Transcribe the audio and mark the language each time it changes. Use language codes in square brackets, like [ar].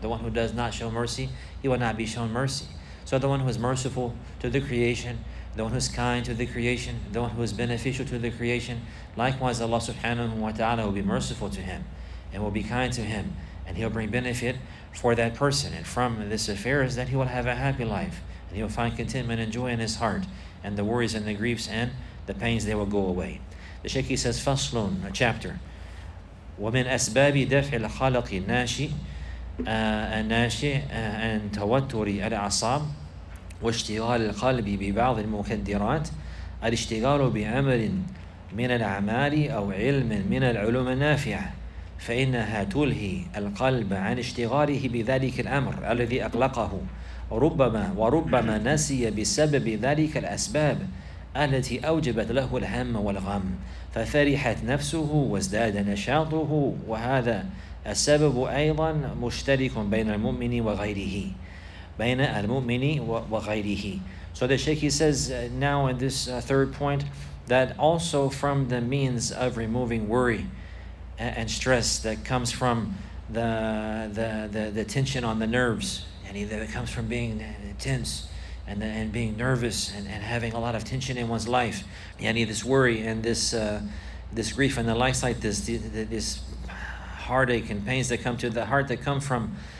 [en] The one who does not show mercy, he will not be shown mercy. So the one who is merciful to the creation, the one who is kind to the creation, the one who is beneficial to the creation, likewise Allah subhanahu wa ta'ala will be merciful to him and will be kind to him, and he'll bring benefit for that person. And from this affair is that he will have a happy life, and he'll find contentment and joy in his heart, and the worries and the griefs and the pains, they will go away. The Shaykh says, Faslun, a chapter. [ar] ومن أسباب دفع الخلق الناشئ عن توتر الأعصاب واشتغال القلب ببعض المخدرات الاشتغال بعمل من الأعمال أو علم من العلوم النافعة فإنها تلهي القلب عن اشتغاله بذلك الأمر الذي أقلقه وربما نسي بسبب ذلك الأسباب التي أوجبت له الهم والغم ففرحت نفسه وازداد نشاطه وهذا السبب أيضا مشترك بين المؤمن وغيره بين المؤمن وغيره. [en] So the Shaykh says now in this third point that also from the means of removing worry and stress that comes from the tension on the nerves, and that it comes from being tense and being nervous and having a lot of tension in one's life, this worry and this grief and the likes like this, this heartache and pains that come to the heart that come from